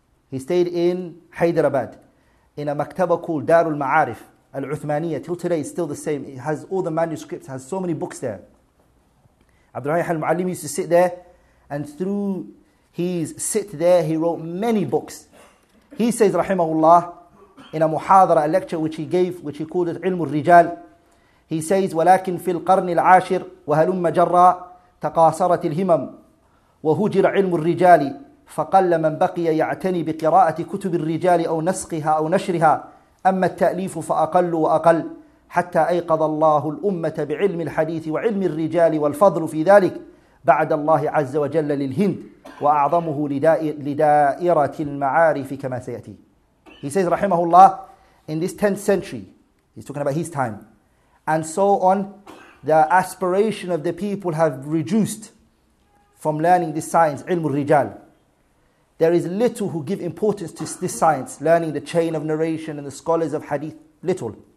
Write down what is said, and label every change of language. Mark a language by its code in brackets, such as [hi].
[en] He stayed in Hyderabad, in a maktaba called Darul Ma'arif. Al-Uthmaniyya, till today, is still the same. It has all the manuscripts, has so many books there. Abdurrahman al-Muallim used to sit there, and through his sit there, he wrote many books. He says, rahimahullah, in a muhadara, a lecture which he gave, which he called it ilm al-rijal, he says, [ar] وَلَكِنْ فِي الْقَرْنِ الْعَاشِرِ وَهَلُمَّ جَرَّى تَقَاصَرَتِ الْهِمَمْ وَهُجِرَ عِلْمُ الرِّجَالِ فَقَلَّ مَنْ بَقِيَ يَعْتَنِي بِقِرَاءَةِ كُتُبِ الرِّجَالِ أَوْ نَسْقِهَا أَوْ نَشْرِهَا أَمَّا التَّأْلِيفُ فَأَقَلُّ وَأَقَلُّ حتى أيقظ الله الأمة بعلم الحديث وعلم الرجال والفضل في ذلك بعد الله عز وجل للهند وأعظمه لدائرة المعارف كما سيأتي. [en] He says [ar] رحمه الله, [en] in this 10th century, he's talking about his time, and so on, the aspiration of the people have reduced from learning this science, علم الرجال. There is little who give importance to this science, learning the chain of narration and the scholars of hadith, little.